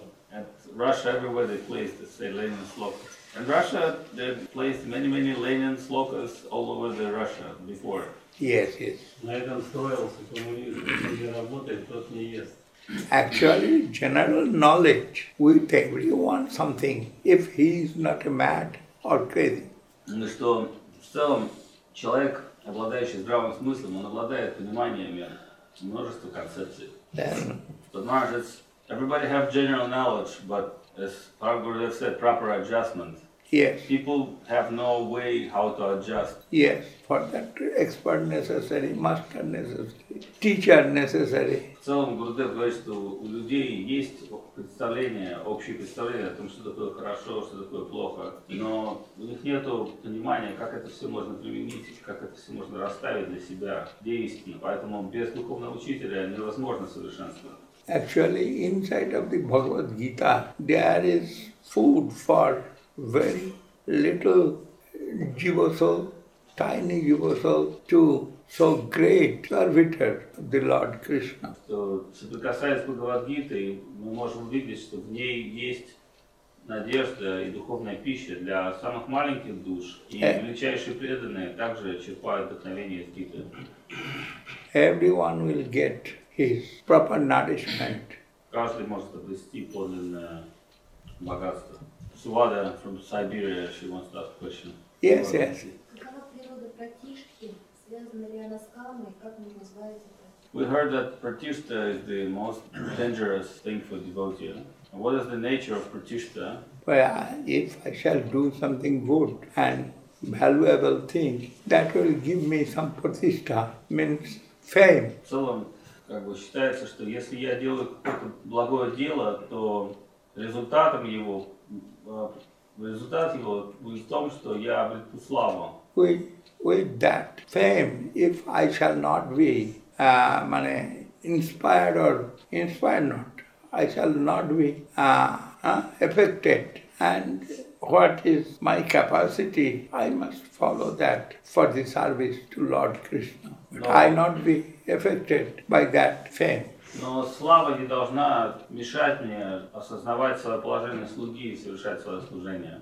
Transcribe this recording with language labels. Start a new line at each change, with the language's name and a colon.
English: At Russia everywhere they placed to say Lenin sloka. In Russia they placed many, many Lenin slokas all over the Russia before. Yes, yes.
Russian: На этом строился коммунизм. Не работает, тот не ест.
English: Actually, general knowledge with everyone something if he is not mad or crazy.
Russian: Ну что, в целом, человек, обладающий здравым смыслом, он обладает пониманием множества концепций.
English: Then, but Maharaj, everybody have general knowledge, but as Prabhupada said, proper adjustment. Yes. People have no way how to adjust. Yes, for that expert necessary, master necessary, teacher necessary.
Russian: В целом Гурудев говорит, что у людей есть представление, общее представление о том, что такое хорошо, что такое плохо, но у них нет понимания, как это все можно применить, как это все можно расставить для себя, где истина. Поэтому без духовного учителя невозможно совершенство.
English: Actually, inside of the Bhagavad Gita, there is food for very little jiva soul, tiny jiva soul to so great servitor of the Lord Krishna.
Russian: То, что касается Бхагавад-гиты, мы можем увидеть, что в ней есть надежда и духовная пища для самых маленьких душ, и величайшие преданные также черпают вдохновение из гиты.
English: Everyone will get his proper nourishment.
Russian: Каждый может обрести подлинное богатство.
English: Suvada from Siberia, she wants to ask a question. Yes, yes.
Russian: Pratishti, связана ли она с Камой, как мы называем это?
English: We heard that Pratishta is the most dangerous thing for devotee. What is the nature of Pratishta? Well, if I shall do something good and valuable thing, that will give me some Pratishta, means fame.
Russian: В целом, как бы считается, что если я делаю какое-то благое дело, то результат его будет в том, что я обрету славу.
English: With that fame, if I shall not be affected. And what is my capacity? I must follow that for the service to Lord Krishna. But no. I not be affected by that fame.
Russian: Но слава не должна мешать мне осознавать свое положение слуги и совершать свое служение.